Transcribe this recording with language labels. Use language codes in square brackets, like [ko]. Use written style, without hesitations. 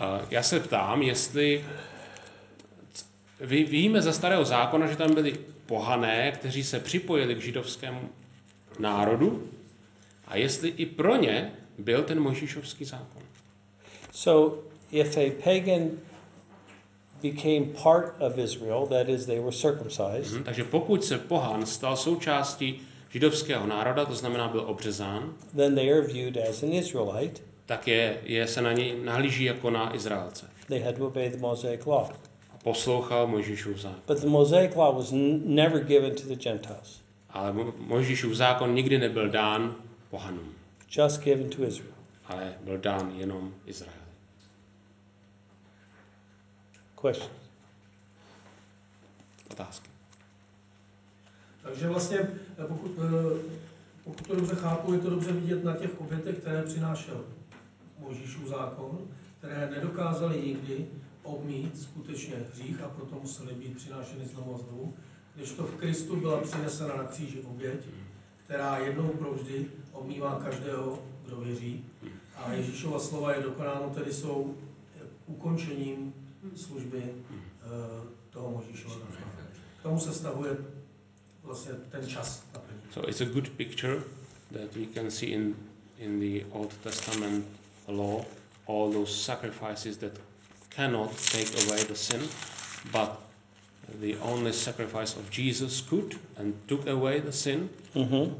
[cs] Já se ptám, jestli víme ze starého zákona, že tam byli pohané, kteří se připojili k židovskému národu, a jestli i pro ně byl ten Mojžíšovský zákon. [en] So if a pagan became part of Israel, that is they were circumcised. [cs] Takže pokud se pohan stal součástí židovského národa, to znamená byl obřezán, [en] then they are viewed as an Israelite. [cs] Tak je se na něj nahlíží jako na Izraelce. [en] They had to obey the Mosaic law. [cs] Poslouchal Mojžíšův zákon. [en] But the Mosaic law was never given to the Gentiles. [cs] Ale Mojžíšův zákon nikdy nebyl dán pohanům. [en] Just given to Israel. [cs] Ale byl dán jenom Izraeli. [en] Questions? [cs] Otázky. Takže vlastně, pokud to dobře chápu, je to dobře vidět na těch obětech, které přinášel Mojžíšův zákon, které nedokázali nikdy obmít skutečně hřích a proto museli být přinášeny znovu a znovu, když to v Kristu byla přinesena na kříži oběť, která jednou provždy obmývá každého, kdo věří. A Ježíšova slova je dokonáno, tedy jsou ukončením služby toho Mojžíšova. K tomu se stavuje vlastně ten čas naplnění. [en] So it's a good picture that we can see in the Old Testament law, all those sacrifices that cannot take away the sin, but the only sacrifice of Jesus could and took away the sin. Mm-hmm.